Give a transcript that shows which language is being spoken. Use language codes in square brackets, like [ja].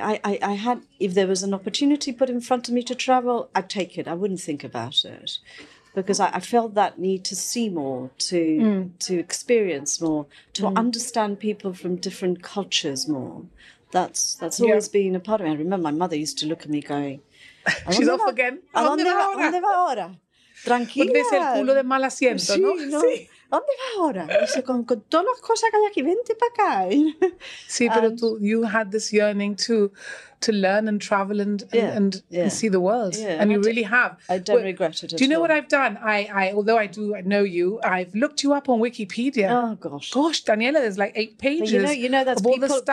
[en] I had, if there was an opportunity put in front of me to travel, I'd take it. I wouldn't think about it. Because I felt that need to see more, to experience more, to understand people from different cultures more. That's always been a part of me. I remember my mother used to look at me going, she's off again. [es] ¿Dónde va ahora? Tranquila. Porque es el culo de mal asiento, sí, ¿no? ¿No? Sí. ¿Dónde vas ahora? Dice, con todas las cosas que hay aquí, vente para acá. Sí, pero tú, [en] you had this yearning to learn and travel and see the world. Yeah, and you really have. I don't regret it at all. Do you know what I've done? I know you, I've looked you up on Wikipedia. Oh, gosh. Gosh, Daniella, there's like 8 pages